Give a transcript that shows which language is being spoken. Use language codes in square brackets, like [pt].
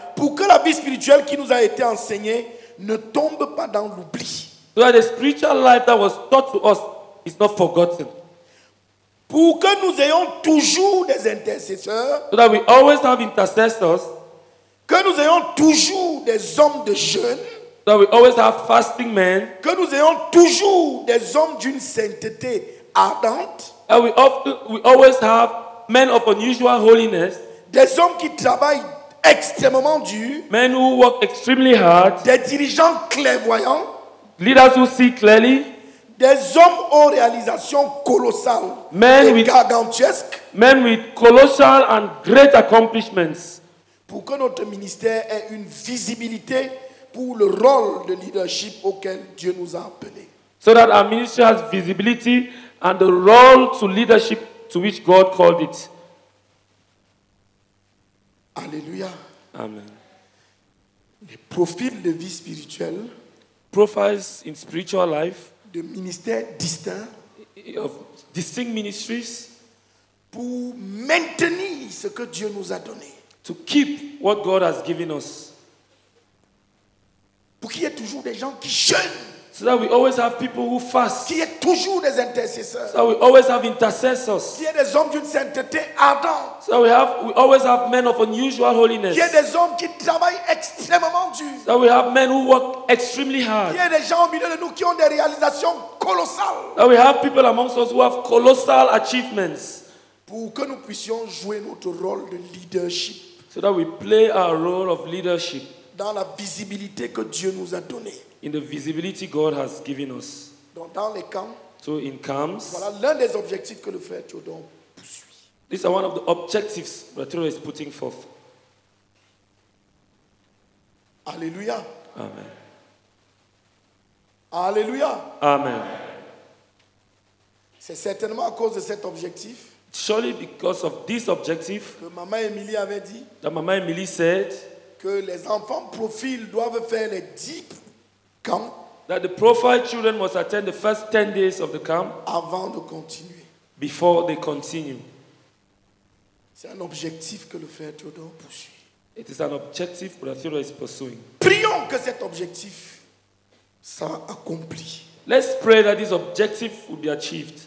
[fr] Pour que la vie spirituelle qui nous a été enseignée ne tombe pas dans l'oubli. [en] So that the spiritual life that was taught to us is not forgotten. [fr] Pour que nous ayons toujours des intercesseurs. [en] So that we always have intercessors. [fr] Que nous ayons toujours des hommes de jeûne. [en] That we always have fasting men. [fr] Que nous ayons toujours des hommes d'une sainteté ardente. [en] That we always have men of unusual holiness. [fr] Des hommes qui travaillent extrêmement dur. [en] Men who work extremely hard. [fr] Des dirigeants clairvoyants. [en] Leaders who see clearly. [fr] Des hommes aux réalisations colossales. [en] Men with [fr] gargantuesques. [en] Men with colossal and great accomplishments. [fr] Pour que notre ministère ait une visibilité pour le rôle de leadership auquel Dieu nous a appelés. [en] So that our ministry has visibility and the role to leadership to which God called it. [fr] Alléluia. [en] Amen. [fr] Les profils de vie spirituelle. [en] Profiles in spiritual life. [fr] De ministères distincts. [en] Of distinct ministries. [fr] Pour maintenir ce que Dieu nous a donné. [en] To keep what God has given us. [fr] Pour qu'il y ait toujours des gens qui jeûnent. [en] So that we always have people who fast. [fr] Qu'il y ait toujours des intercesseurs. [en] So that we always have intercessors. [fr] Qu'il y ait des hommes d'une sainteté ardente. [en] So we always have men of unusual holiness. [fr] Qu'il y ait des hommes qui travaillent extrêmement dur. [en] So that we have men who work extremely hard. [fr] Qu'il y ait des gens au milieu de nous qui ont des réalisations colossales. [en] So that we have people amongst us who have colossal achievements. [fr] Pour que nous puissions jouer notre rôle de leadership. [en] So that we play our role of leadership. [fr] Dans la visibilité que Dieu nous a donné. [en] In the visibility God has given us. [fr] Donc dans les camps. [en] So in camps. [fr] Voilà l'un des objectifs que le frère Jojo poursuit. [en] These are one of the objectives Bertoua is putting forth. [fr] Alléluia. [en] Amen. [fr] Alléluia. [en] Amen. [fr] C'est certainement à cause de cet objectif. [en] Surely because of this objective [fr] que Mama Emily avait dit, [en] that Mama Emily said [fr] que les enfants profils doivent faire les 10 camps [en] that the profile children must attend the first 10 days of the camp [fr] avant de continuer. [en] Before they continue. [fr] C'est un objectif que le frère Jojo poursuit. [en] It is an objective that Jojo is pursuing. [fr] Prions que cet objectif soit accompli. [en] Let's pray that this objective will be achieved